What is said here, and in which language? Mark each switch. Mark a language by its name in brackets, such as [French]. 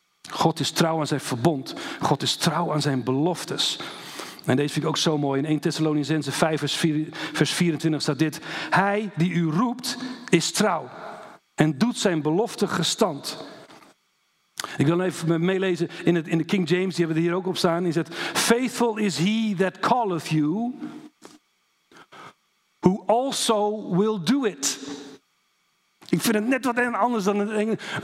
[Dutch] God is trouw aan zijn verbond. God is trouw aan zijn beloftes. En deze vind ik ook zo mooi. In 1 Thessalonicenzen 5 vers 24 staat dit. Hij die u roept is trouw en doet zijn belofte gestand. Ik wil even meelezen in de King James, die hebben we hier ook op staan. Die zegt, [English] faithful is he that calleth you, who also will do it. [Dutch] Ik vind het net wat anders dan het Engels.